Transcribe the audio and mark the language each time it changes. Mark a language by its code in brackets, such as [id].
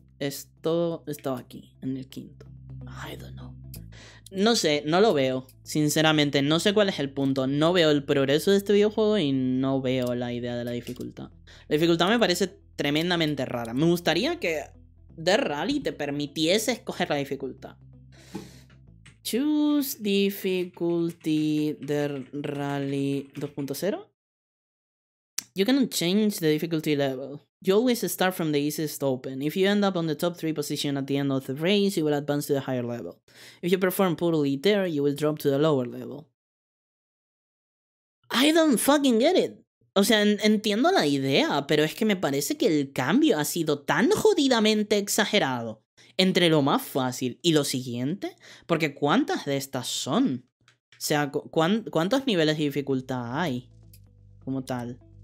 [es] Esto estaba aquí, en el quinto. [en] I don't know. [es] No sé, no lo veo. Sinceramente, no sé cuál es el punto. No veo el progreso de este videojuego y no veo la idea de la dificultad. La dificultad me parece tremendamente rara. Me gustaría que The Rally te permitiese escoger la dificultad. [en] Choose difficulty The Rally 2.0. You can change the difficulty level. You always start from the easiest open. If you end up on the top 3 position at the end of the race, you will advance to the higher level. If you perform poorly there, you will drop to the lower level. I don't fucking get it. [es] O sea, entiendo la idea, pero es que me parece que el cambio ha sido tan jodidamente exagerado entre lo más fácil y lo siguiente. Porque ¿cuántas de estas son? O sea, ¿cuántos niveles de dificultad hay? Como tal.